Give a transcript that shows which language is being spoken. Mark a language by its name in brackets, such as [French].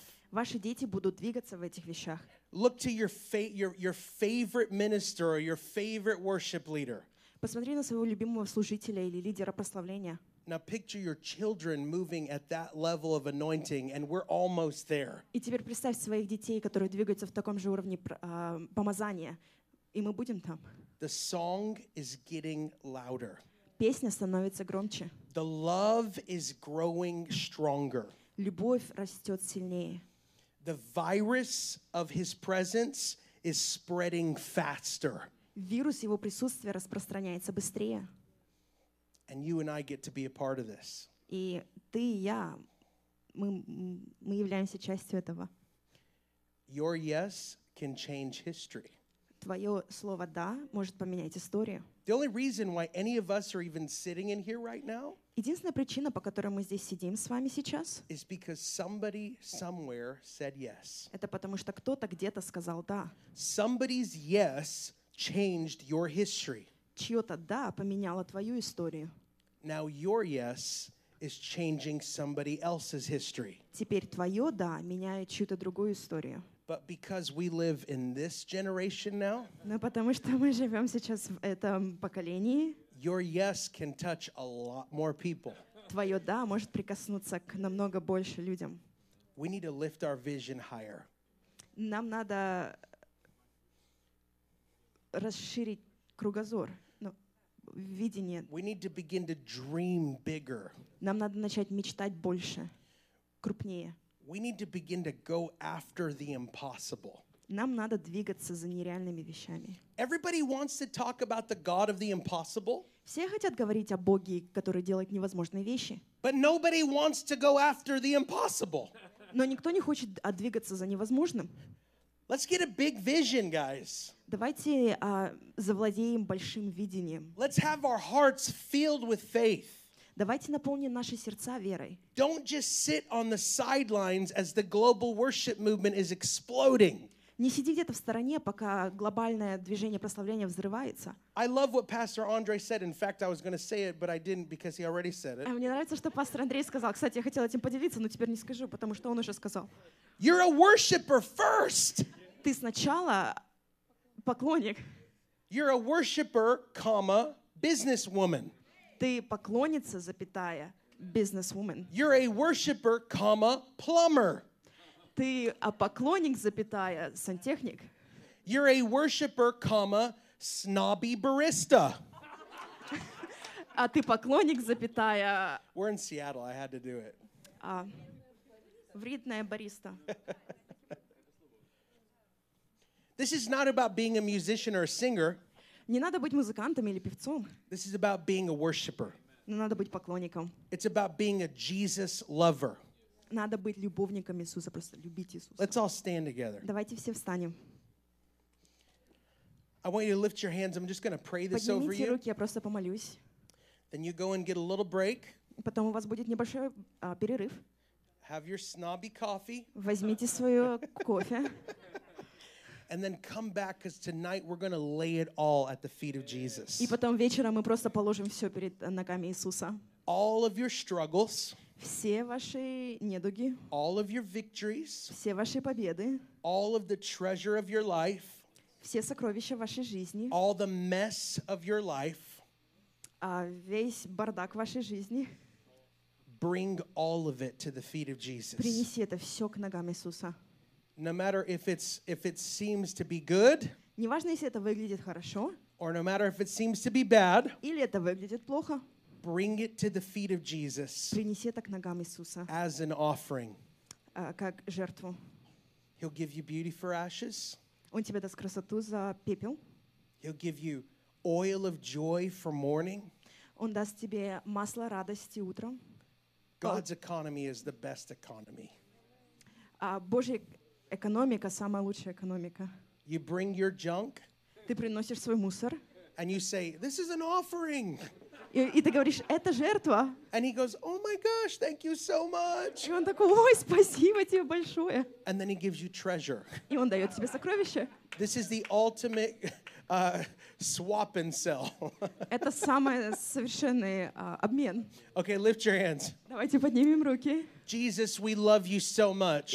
[Russian] Ваши дети будут двигаться в этих вещах. [English] Look to your favorite minister or your favorite worship leader. [Russian] Посмотри на своего любимого служителя или лидера прославления. [English] Now picture your children moving at that level of anointing, and we're almost there. [Russian] И теперь представь своих детей, которые двигаются в таком же уровне помазания, и мы будем там. [English] The song is getting louder. [Russian] Песня становится громче. [English] The love is growing stronger. [Russian] Любовь растет сильнее. [English] The virus of His presence is spreading faster. [Russian] Вирус его присутствия распространяется быстрее. [English] And you and I get to be a part of this. [Russian] И ты и я, мы являемся частью этого. [English] Your yes can change history. [Russian] Твое слово «да» может поменять историю. [English] The only reason why any of us are even sitting in here right now, [Russian] единственная причина, по которой мы здесь сидим с вами сейчас, [English] is because somebody somewhere said yes. [Russian] Это потому что кто-то где-то сказал «да». [English] Somebody's yes changed your history. [Russian] Чьё-то да поменяло твою историю. [English] Now your yes is changing somebody else's history. [Russian] Теперь твоё да меняет чью-то другую историю. [English] But because we live in this generation now, [Russian] но потому что мы живём сейчас в этом поколении, [English] your yes can touch a lot more people. [Russian] Твоё да может прикоснуться к намного больше людям. [English] We need to lift our vision higher. [Russian] Нам надо расширить кругозор, видение. [English] We need to begin to dream bigger. [Russian] Нам надо начать мечтать больше, крупнее. [English] We need to begin to go after the impossible. [Russian] Нам надо двигаться за нереальными вещами. [English] Everybody wants to talk about the God of the impossible. [Russian] Все хотят говорить о Боге, который делает невозможные вещи. [English] But nobody wants to go after the impossible. [Russian] Но никто не хочет двигаться за невозможным. [English] Let's get a big vision, guys. [Russian] Давайте завладеем большим видением. [English] Let's have our hearts filled with faith. [Russian] Давайте наполним наши сердца верой. [English] Don't just sit on the sidelines as the global worship movement is exploding. [Russian] Не сиди где-то в стороне, пока глобальное движение прославления взрывается. [English] I love what Pastor Andre said. In fact, I was going to say it, but I didn't because he already said it. [Russian] Мне нравится, что пастор Андрей сказал. Кстати, я хотела этим поделиться, но теперь не скажу, потому что он уже сказал. [English] You're a worshipper first. [Russian] Ты сначала поклонник. [English] You're a worshipper, comma, businesswoman. [Russian] Ты поклонница, запятая, businesswoman. [English] You're a worshipper, comma, plumber. [Russian] Ты поклонник, запятая, сантехник. [English] You're a worshipper, comma, snobby barista. [Russian] А ты поклонник, запятая. [English] We're in Seattle. I had to do it. [Russian] Вредная бариста. [English] This is not about being a musician or a singer. [Russian] Не надо быть музыкантом или певцом. [English] This is about being a worshipper. [Russian] Надо быть поклонником. [English] It's about being a Jesus lover. [Russian] Надо быть любовником Иисуса, просто любить Иисуса. [English] Let's all stand together. [Russian] Давайте все встанем. [English] I want you to lift your hands. I'm just going to pray this over you. [Russian] Поднимите руки, я просто помолюсь. [English] Then you go and get a little break. [Russian] Потом у вас будет небольшой перерыв. [English] Have your snobby coffee. [Russian] Возьмите свое кофе. [English] And then come back because tonight we're going to lay it all at the feet of Jesus. [Russian] И потом вечером мы просто положим все перед ногами Иисуса. [English] All of your struggles. [Russian] Все ваши недуги. [English] All of your victories. [Russian] Все ваши победы. [English] All of the treasure of your life. [Russian] Все сокровища вашей жизни. [English] All the mess of your life. [Russian] Весь бардак вашей жизни. [English] Bring all of it to the feet of Jesus. [Russian] Принеси это все к ногам Иисуса. [English] No matter if it seems to be good. [Russian] Неважно, если это выглядит хорошо. [English] Or no matter if it seems to be bad. [Russian] Или это выглядит плохо. [English] Bring it to the feet of Jesus. [Russian] Принеси это к ногам Иисуса. [English] As an offering. [Russian] Как жертву. [English] He'll give you beauty for ashes. [Russian] Он тебе даст красоту за пепел. [English] He'll give you oil of joy for mourning. [Russian] Он даст тебе масло радости утром. [English] God's economy is the best economy. [Russian] Божья экономика самая лучшая экономика. [English] You bring your junk. [Russian] Ты приносишь свой мусор. [English] And you say, "This is an offering." [Russian] И ты говоришь, это жертва. [English] And he goes, oh my gosh, thank you so much. [Russian] И он такой, ой, спасибо тебе большое. [English] And then he gives you treasure. [Russian] И он дает тебе сокровище. [English] This is the ultimate swap and sell. [Russian] Это самый совершенный обмен. [English] Okay, lift your hands. [Russian] Давайте поднимем руки. [English] Jesus, we love you so much.